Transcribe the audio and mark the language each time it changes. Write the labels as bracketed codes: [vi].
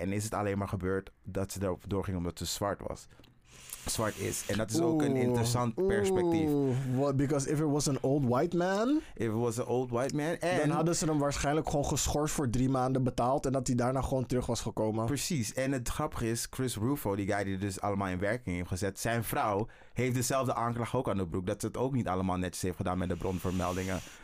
[nl] En is het alleen maar gebeurd dat ze erop doorging omdat ze zwart was? Zwart is. En dat is ook een interessant perspectief. [en] What, because if it was an old white man... If it was an old white man... [nl] En, dan hadden ze hem waarschijnlijk gewoon geschorst voor 3 maanden betaald... en dat hij daarna gewoon terug was gekomen. Precies. En het grappige is, Chris Rufo, die guy die dus allemaal in werking heeft gezet... zijn vrouw heeft dezelfde aanklacht ook aan de broek... dat ze het ook niet allemaal netjes heeft gedaan met de bronvermeldingen.